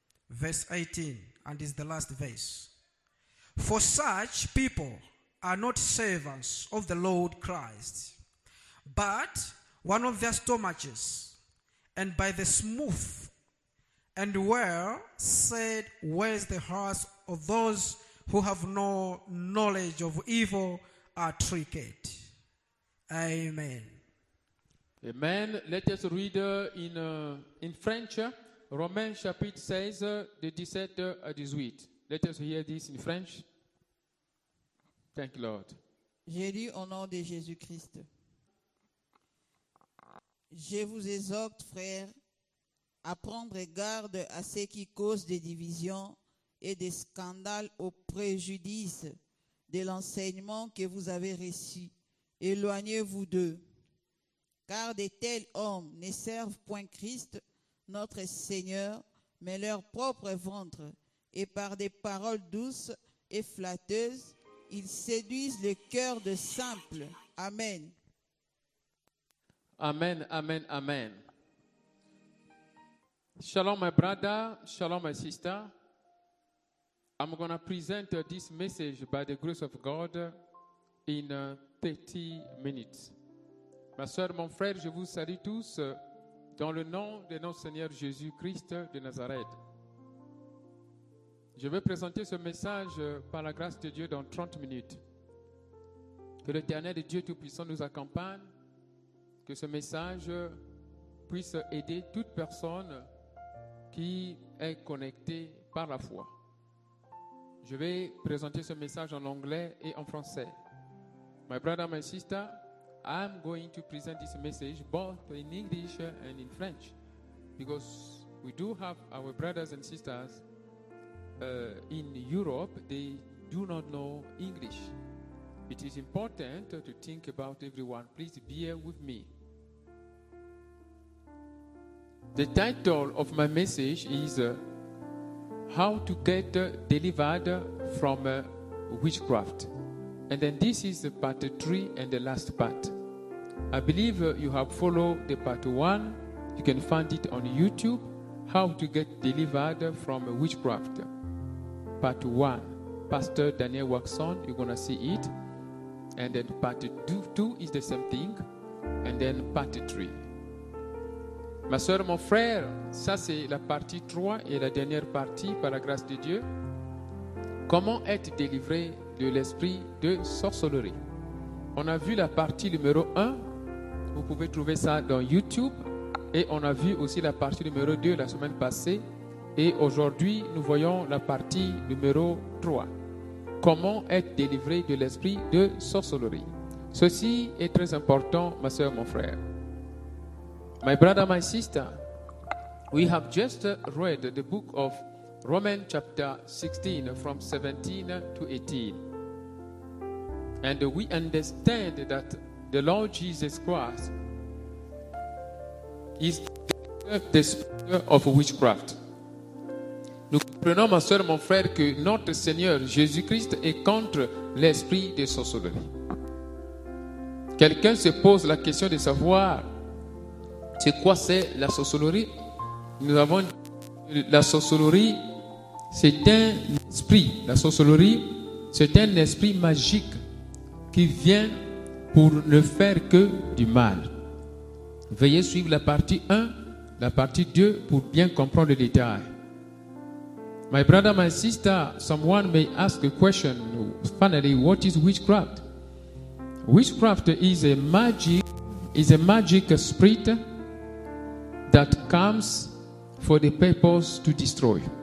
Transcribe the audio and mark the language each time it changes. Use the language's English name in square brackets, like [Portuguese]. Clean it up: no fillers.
[English] Verse 18, and is the last verse. For such people are not servants of the Lord Christ, but one of their stomachs, and by the smooth and well said where's the hearts of those who have no knowledge of evil are tricked. Amen. Amen. Let us read in French. [French] Romans chapitre 16, de 17 à 18. [English] Let us hear this in French. Thank you, Lord. [French] J'ai lu au nom de Jésus-Christ. Je vous exhorte, frères, à prendre garde à ce qui cause des divisions et des scandales au préjudice de l'enseignement que vous avez reçu. Éloignez-vous d'eux. Car de tels hommes ne servent point Christ, notre Seigneur, mais leur propre ventre. Et par des paroles douces et flatteuses, ils séduisent le cœur de simples. Amen. Amen, amen, amen. [English] Shalom, my brother. Shalom, my sister. I'm going to present this message by the grace of God in 30 minutes. [French] Ma soeur, mon frère, je vous salue tous dans le nom de notre Seigneur Jésus-Christ de Nazareth. Je vais présenter ce message par la grâce de Dieu dans 30 minutes. Que l'Éternel et Dieu Tout-Puissant nous accompagne. Que ce message puisse aider toute personne qui est connecté par la foi. Je vais présenter ce message en anglais et en français. [English] My brother, my sister, I'm going to present this message both in English and in French because we do have our brothers and sisters in Europe. They do not know English. It is important to think about everyone. Please bear with me. The title of my message is How to Get Delivered from Witchcraft. And then this is part 3 and the last part. I believe you have followed the part 1. You can find it on YouTube. How to Get Delivered from Witchcraft. Part 1. Pastor Daniel Waxon, you're going to see it. And then part 2 is the same thing. And then part 3. [French] Ma soeur, mon frère, ça c'est la partie 3 et la dernière partie par la grâce de Dieu. Comment être délivré de l'esprit de sorcellerie? On a vu la partie numéro 1, vous pouvez trouver ça dans YouTube. Et on a vu aussi la partie numéro 2 la semaine passée. Et aujourd'hui, nous voyons la partie numéro 3. Comment être délivré de l'esprit de sorcellerie? Ceci est très important, ma soeur, mon frère. [English] My brother, my sister, we have just read the book of Romans chapter 16 from 17 to 18. And we understand that the Lord Jesus Christ is the spirit of witchcraft. [French] Nous comprenons, ma soeur, mon frère, que notre Seigneur Jésus-Christ est contre l'esprit de sorcellerie. Quelqu'un se pose la question de savoir c'est quoi c'est la sorcellerie. Nous avons dit que la sorcellerie, c'est un esprit. La sorcellerie, c'est un esprit magique qui vient pour ne faire que du mal. Veuillez suivre la partie 1, la partie 2 pour bien comprendre le détail. [English] My brother, my sister, someone may ask a question. Finally, what is witchcraft? Witchcraft is a magic spirit that comes for the purpose to destroy.